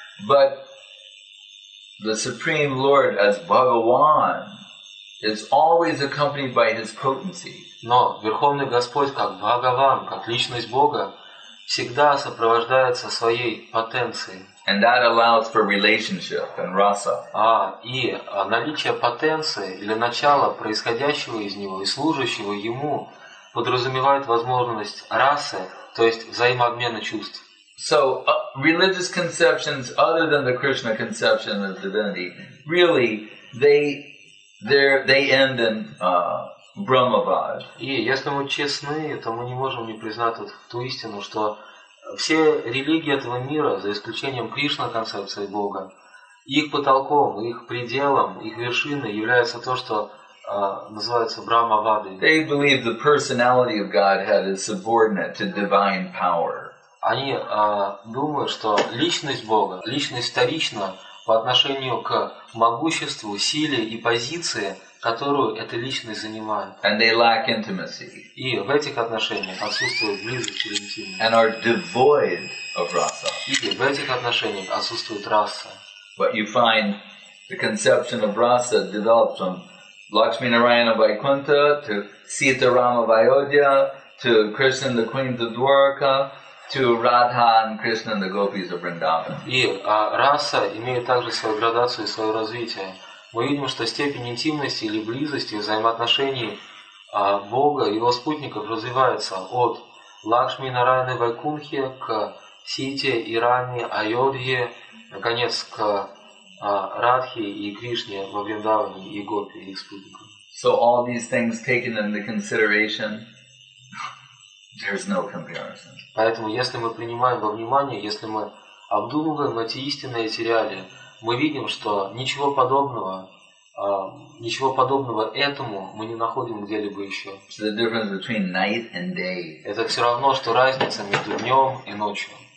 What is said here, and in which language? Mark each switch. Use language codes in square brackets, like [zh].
[en] But the supreme Lord as Bhagavan is always accompanied by his potency. [ru] Но Верховный Господь, как Бхагаван, как личность Бога, всегда сопровождается своей потенцией. [en] And that allows for relationship and rasa. [ru] Наличие потенции или начало происходящего из него и служащего ему подразумевает возможность расы, то есть взаимообмена чувств. [en] So religious conceptions other than the Krishna conception of divinity, really, they end in Brahmavad. [ru] И если мы честны, то мы не можем не признать вот ту истину, что все религии этого мира, за исключением Кришна концепции Бога, их потолком, их пределом, их вершиной является то, что называется Брахмавадой. [en] They believe the personality of Godhead is subordinate to divine power. [ru] они думают, что личность Бога, личность вторична по отношению к могуществу, силе и позиции, которую эта личность занимает. [en] And they lack intimacy. [ru] И в этих отношениях отсутствует близость или интимность. [en] And are devoid of rasa. [ru] И в этих отношениях отсутствует раса. [en] But you find the conception of rasa developed from Lakshmi Narayana Vaikuntha to Sita Rama Vayodhya to Krishna the Queen of Dwarka to Radha and Krishna and the Gopis of Vrindavan. [ru] И раса имеет также свою градацию и свое развитие. Мы видим, что степень интимности или близости взаимоотношений Бога и его спутников развивается от Лакшми Нарайаны Вайкунхи к Сите и Раме, Айодхе, наконец, к Радхе и Кришне во Вриндаване и Гопи, их спутникам. [en] So all these things taken into consideration, there's no comparison. [ru] Поэтому, если мы принимаем во внимание, если мы обдумываем эти истинные эти реалии, мы видим, что ничего подобного этому мы не находим где-либо еще. [en] So the difference between night and day. [ru] Это все равно, что разница между днем и ночью.